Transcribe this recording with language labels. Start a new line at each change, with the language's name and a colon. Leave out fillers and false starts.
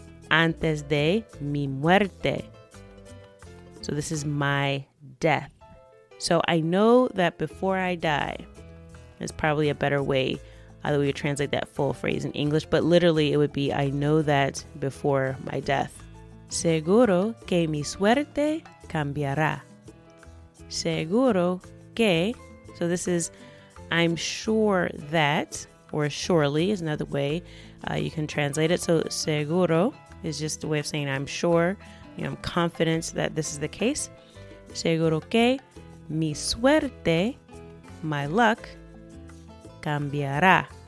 Spanish: Antes de mi muerte.
English: So this is my death. So I know that before I die is probably a better way that we would translate that full phrase in English. But literally it would be, I know that before my death.
Spanish: Seguro que mi suerte cambiará. Seguro que.
English: So this is, I'm sure that, or surely is another way you can translate it. So seguro is just a way of saying I'm sure, you know, I'm confident that this is the case.
Spanish: Seguro que mi suerte,
English: my luck,
Spanish: cambiará.